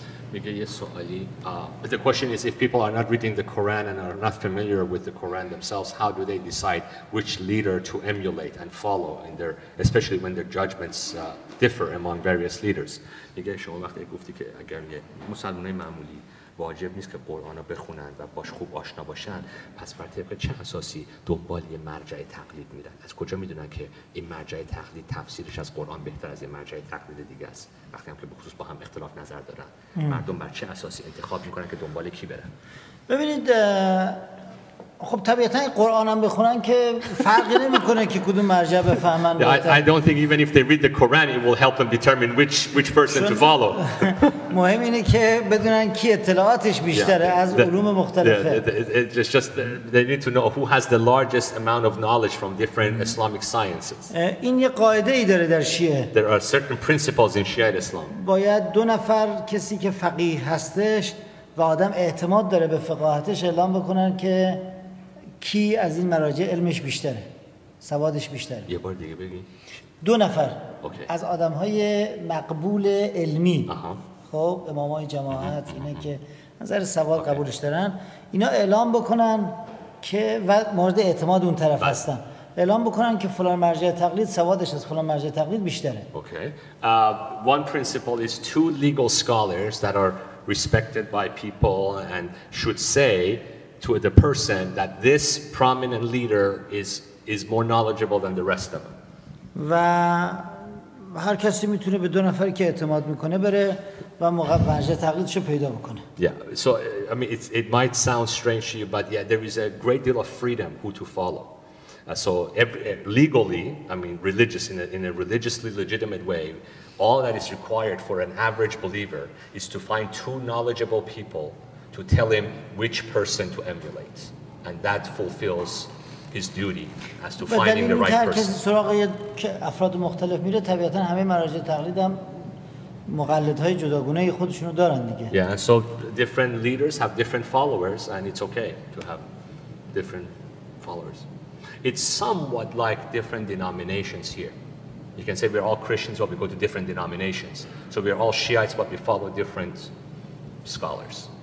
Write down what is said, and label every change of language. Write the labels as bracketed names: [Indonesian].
[English] The question is, if people are not reading the Quran and are not familiar with the Quran themselves, how do they decide which leader to emulate and follow in their, especially when their judgments differ among various leaders? [Persian] میگه شما وقتی گفتی که اگر یه مسلمانای معمولی واجب نیست که قرآن رو بخونن و باش خوب آشنا باشن، پس بر طبق چه اساسی دنبال یه مرجع تقلید میرن؟ از کجا میدونن که این مرجع تقلید تفسیرش از قرآن بهتر از یه مرجع تقلید دیگه است؟ وقتی هم که بخصوص با هم اختلاف نظر دارن، مردم بر چه اساسی انتخاب میکنن که دنبال کی برن؟ ببینید، خب طبیعتاً قرآن هم بخونن که فرقی نمی‌کنه که کدوم مرجع بفهمن. [English] I don't think even if they read the Quran it will help them determine which person to follow. [Persian] مهم اینه که بدونن کی اطلاعاتش بیشتره از علوم مختلفه. [English] It's just they need to know who has the largest amount of knowledge from different Islamic sciences. [Persian] این یه قاعده ای داره در شیعه. [English] There are certain principles in Shia Islam. [Persian] باید دو نفر کسی که فقیه هستش و آدم اعتماد داره به فقاهتش اعلام بکنن که کی از این مراجع علمش بیشتره، سوادش بیشتره. یه بار دیگه بگی. دو نفر [English] okay. [Persian] از آدم‌های مقبول علمی خب امامای جماعت اینا که نظر سواد okay. قبولش دارن، اینا اعلام بکنن که و مورد اعتماد اون طرف هستن، اعلام بکنن که فلان مرجع تقلید سوادش از فلان مرجع تقلید بیشتره. [English] Okay. One principle is two legal scholars that are respected by people and should say to the person that this prominent leader is more knowledgeable than the rest of them. [Persian] و هر کسی میتونه به دو نفری که اعتماد میکنه بره و مرجع تقلیدشو پیدا بکنه. [English] Yeah, so I mean it might sound strange to you, but yeah, there is a great deal of freedom who to follow. So legally, in a religiously legitimate way, all that is required for an average believer is to find two knowledgeable people to tell him which person to emulate, and that fulfills his duty as to finding the right person. But then, if the [Persian] افراد مختلف میره طبیعتا همه مراجع تقلید هم مقلد های جداگونه خودشونو دارن دیگه. [English] Yeah, and so different leaders have different followers, and it's okay to have different followers. It's somewhat like different denominations here. You can say we're all Christians, but we go to different denominations. So we're all Shiites, but we follow different scholars.